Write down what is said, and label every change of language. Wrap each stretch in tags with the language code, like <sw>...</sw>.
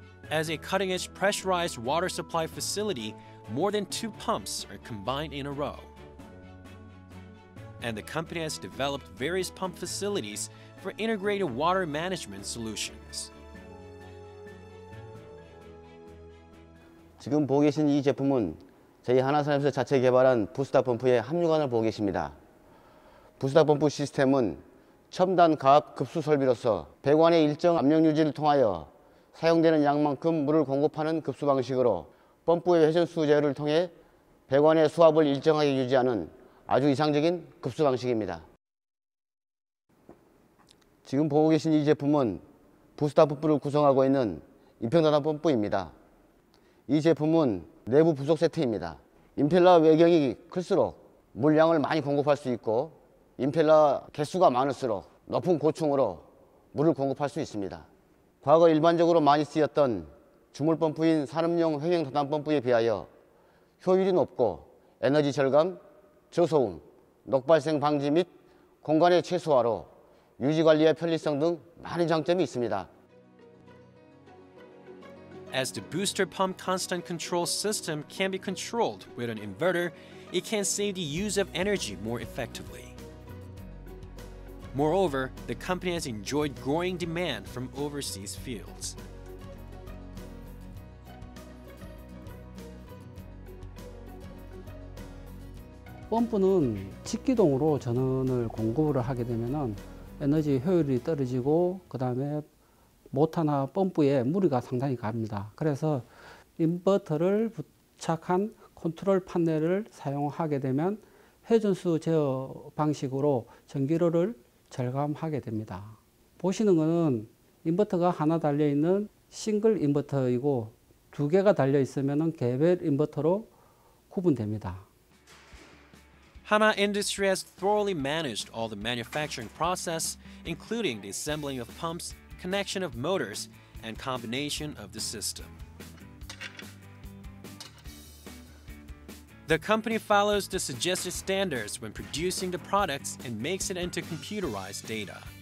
<en>As a cutting-edge pressurized water supply facility, more than two pumps are combined in a row. And the company has developed various pump facilities for integrated water management solutions.</en> <ko>지금 보고 계신 이 제품은 저희 하나산업에서 자체 개발한 부스터 펌프의 함유관을 보고 계십니다. 부스터 펌프 시스템은 첨단 가압 급수 설비로서 배관의 일정 압력 유지를 통하여 사용되는 양만큼 물을 공급하는 급수 방식으로 펌프의 회전 수 제어를 통해 배관의 수압을 일정하게 유지하는 아주 이상적인 급수 방식입니다. 지금 보고 계신 이 제품은 부스터 펌프를 구성하고 있는 임펠러단 펌프입니다. 이 제품은 내부 부속 세트입니다. 임펠러 외경이 클수록 물량을 많이 공급할 수 있고 임펠러 개수가 많을수록 높은 고충으로 물을 공급할 수 있습니다. 과거 일반적으로 많이 쓰였던 주물 펌프인 산업용 횡행 다단 펌프에 비하여 효율이 높고 에너지 절감, 저소음, 녹발생 방지 및 공간의 최소화로 유지관리의 편리성 등 많은 장점이 있습니다.</ko> <en>As the booster pump constant control system can be controlled with an inverter, it can save the use of energy more effectively. Moreover, the company has enjoyed growing demand from overseas fields. The pump is automatically controlled by the power of the pump.</en> <ko>에너지 효율이 떨어지고 그다음에 모터나 펌프에 무리가 상당히 갑니다. 그래서 인버터를 부착한 컨트롤 판넬을 사용하게 되면 회전수 제어 방식으로 전기료를 절감하게 됩니다. 보시는 것은 인버터가 하나 달려있는 싱글 인버터이고 두 개가 달려있으면 개별 인버터로 구분됩니다.</ko> <en>Hana Industry has thoroughly managed all the manufacturing process, including the assembling of pumps, connection of motors, and combination of the system. The company follows the suggested standards when producing the products and makes it into computerized data.</en>